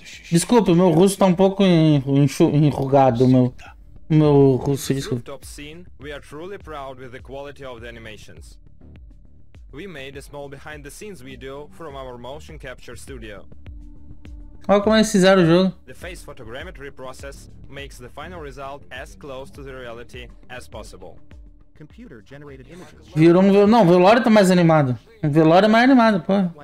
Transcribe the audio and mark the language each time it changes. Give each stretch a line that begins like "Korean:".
Portuguese: Desculpe, meu rosto tá um pouco enrugado, meu rosto, desculpe.
English: Top scene, we are truly proud with the quality of the animations. We made a small behind the scenes video from our motion capture studio.
Portuguese: Olha como eles fizeram o jogo.
English: The face photogrammetry process makes the final result as close to the reality as possible. Computer generated images.
Portuguese: Virou um velório. Não, o velório tá mais animado. O velório é mais animado, pô.